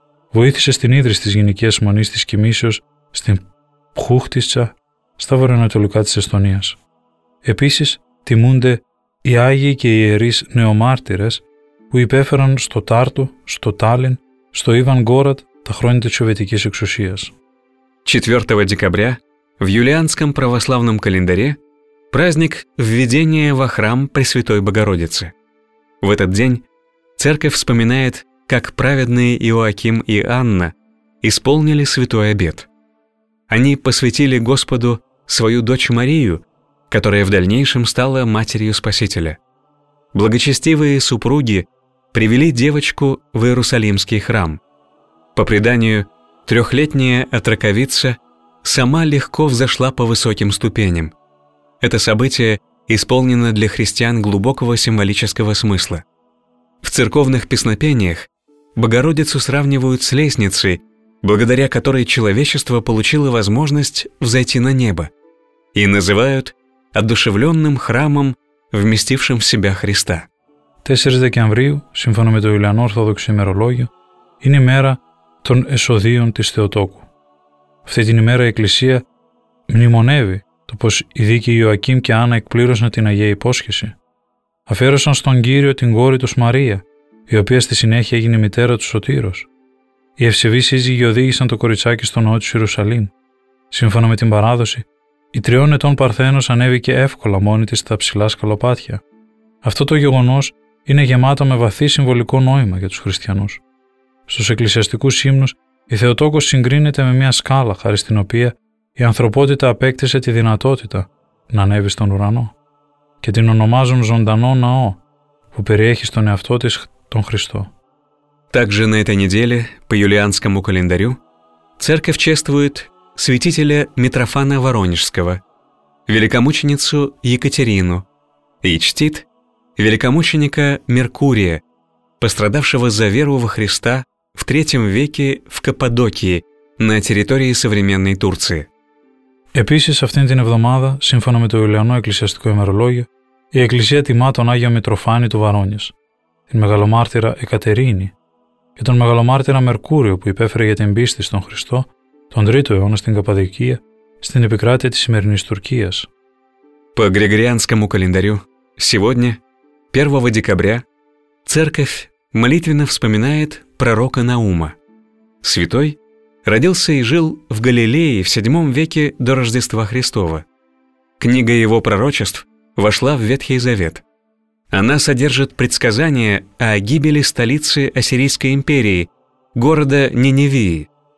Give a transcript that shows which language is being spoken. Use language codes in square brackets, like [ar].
[el] Βοήθησε στην ίδρυση της γυναικείας Μονής της Κοιμήσεως στην Πχούχτιτσα, στα βορειοανατολικά της Εστονίας. Επίσης, τιμούνται οι Άγιοι και οι Ιερείς Νεομάρτυρες που υπέφεραν στο Τάρτο, στο Τάλιν, στο Ιβανγκόραντ τα χρόνια της Σοβιετικής εξουσίας. [ru] 4 декабря в юлианском православном календаре праздник введения во храм Пресвятой Богородицы. В этот день церковь вспоминает, как праведные Иоаким и Анна исполнили святой обет. Они посвятили Господу свою дочь Марию, которая в дальнейшем стала матерью Спасителя. Благочестивые супруги привели девочку в Иерусалимский храм. По преданию, трехлетняя отроковица сама легко взошла по высоким ступеням. Это событие исполнено для христиан глубокого символического смысла. В церковных песнопениях Богородицу сравнивают с лестницей, благодаря которой человечество получило возможность взойти на небо, и называют одушевленным храмом, вместившим в себя Христа. 4 декабря, [el] σύμφωνα με το Ιουλιανό Ορθόδοξο ημερολόγιο, είναι η μέρα των εσοδείων της Θεοτόκου. Αυτή την ημέρα η Εκκλησία μνημονεύει το πως οι δίκαιοι Ιωακήμ και Άννα εκπλήρωσαν την Αγία Υπόσχεση. Αφιέρωσαν στον Κύριο την κόρη τους Μαρία, η οποία στη συνέχεια έγινε μητέρα του Σωτήρος. Οι ευσεβείς σύζυγοι οδήγησαν το κοριτσάκι στο ναό της Ιερουσαλήμ. Σύμφωνα με την παράδοση, η τριών ετών Παρθένος ανέβηκε εύκολα μόνη της στα ψηλά σκαλοπάτια. Αυτό το γεγονός είναι γεμάτο με βαθύ συμβολικό νόημα για τους χριστιανούς. Στους εκκλησιαστικούς ύμνους, η Θεοτόκος συγκρίνεται με μια σκάλα χάρη στην οποία η ανθρωπότητα απέκτησε τη δυνατότητα να ανέβει στον ουρανό και την ονομάζουν ζωντανό ναό που περιέχει στον εαυτό της τον Χριστό. [ru] Также на этой неделе по юлианскому календарю церковь чествует святителя Митрофана Воронежского, великомученицу Екатерину и чтит великомученика Меркурия, пострадавшего за веру во Христа в III веке в Каппадокии на территории современной Турции. [el] Επίσης, αυτήν την εβδομάδα, σύμφωνα με το Ιουλιανό Εκκλησιαστικό ημερολόγιο, η Εκκλησία τιμά τον Άγιο Μητροφάνη του Βαρόνιος, την Μεγαλομάρτυρα Εκατερίνη και τον Μεγαλομάρτυρα Μερκούριο που υπέφερε για την πίστη στον Χριστό τον 3ο αιώνα στην Καπαδικία, στην επικράτεια της σημερινής Τουρκίας. [ru] По Григорианскому календарю, сегодня, 1 декабря, церковь молитвенно вспоминает пророка Наума. Святой родился и жил в Галилее в VII веке до Рождества Христова. Книга его пророчеств вошла в Ветхий Завет. Она содержит предсказания о гибели столицы Ассирийской империи, города Ниневии.